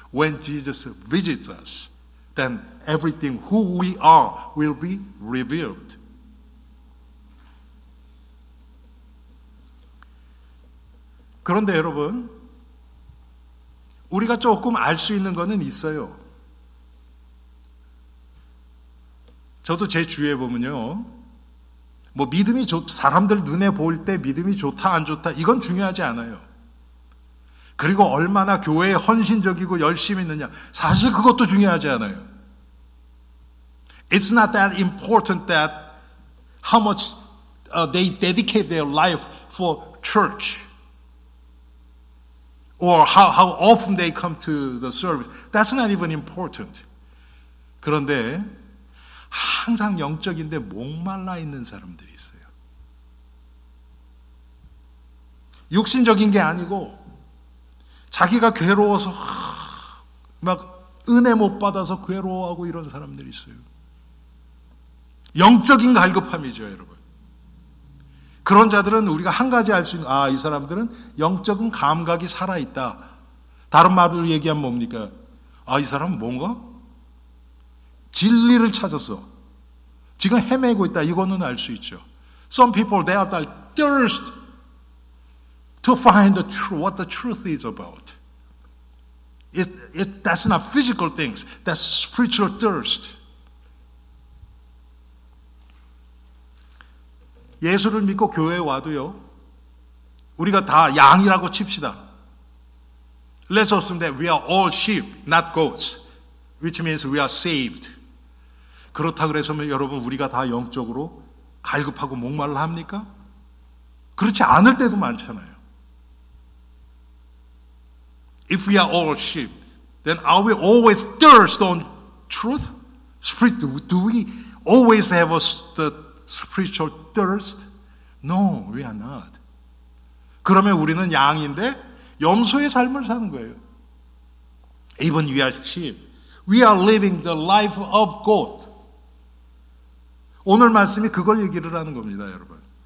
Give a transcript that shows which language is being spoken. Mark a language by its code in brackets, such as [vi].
[en] When Jesus visits us, then everything, who we are, will be revealed. [ko] 그런데 여러분, 우리가 조금 알 수 있는 것은 있어요. 저도 제 주위에 보면요, 뭐 믿음이 사람들 눈에 보일 때 믿음이 좋다 안 좋다 이건 중요하지 않아요. 그리고 얼마나 교회에 헌신적이고 열심히 있느냐, 사실 그것도 중요하지 않아요. [en] It's not that important that how much they dedicate their life for church or how often they come to the service. That's not even important. [ko] 그런데 항상 영적인데 목말라 있는 사람들이 있어요. 육신적인 게 아니고 자기가 괴로워서 막 은혜 못 받아서 괴로워하고 이런 사람들이 있어요. 영적인 갈급함이죠, 여러분. 그런 자들은 우리가 한 가지 알 수 있는, 아, 이 사람들은 영적인 감각이 살아있다. 다른 말을 얘기하면 뭡니까? 아, 이 사람은 뭔가? 진리를 찾았어. 지금 헤매고 있다. 이거는 알 수 있죠. [en] Some people, they are thirst to find the truth, what the truth is about. That's not physical things. That's spiritual thirst. [ko] 예수를 믿고 교회에 와도요, 우리가 다 양이라고 칩시다. [en] Let's assume that we are all sheep, not goats, which means we are saved. [ko] 그렇다고 해서 여러분, 우리가 다 영적으로 갈급하고 목말라 합니까? 그렇지 않을 때도 많잖아요. [en] If we are all sheep, then are we always thirst on truth? Spirit, do we always have the spiritual thirst? No, we are not. [ko] 그러면 우리는 양인데 염소의 삶을 사는 거예요. [en] Even we are sheep, we are living the life of goat. [ko] 오늘 말씀이 그걸 얘기를 하는 겁니다, 여러분.